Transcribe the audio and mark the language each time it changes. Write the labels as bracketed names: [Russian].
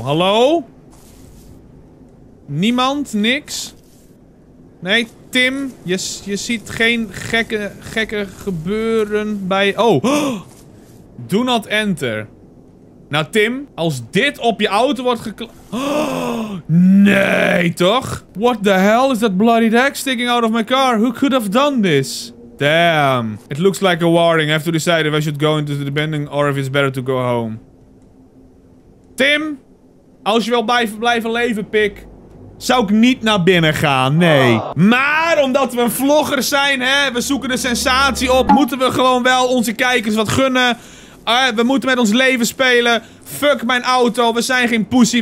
[Dutch] Hallo? Niemand? Niks? Nee, Tim? Je ziet geen gekke gebeuren bij... Oh! [English] Do not enter. [Dutch] Nou, Tim, als dit op je auto wordt Nee, toch? [English] What the hell is that bloody deck sticking out of my car? Who could have done this? Damn. It looks like a warning. I have to decide if I should go into the building or if it's better to go home. [Dutch] Tim, als je wil blijven leven, pik, zou ik niet naar binnen gaan, nee. Maar omdat we een vlogger zijn, hè, we zoeken de sensatie op, moeten we gewoon wel onze kijkers wat gunnen. We moeten met ons leven spelen. Fuck mijn auto. We zijn geen pussy.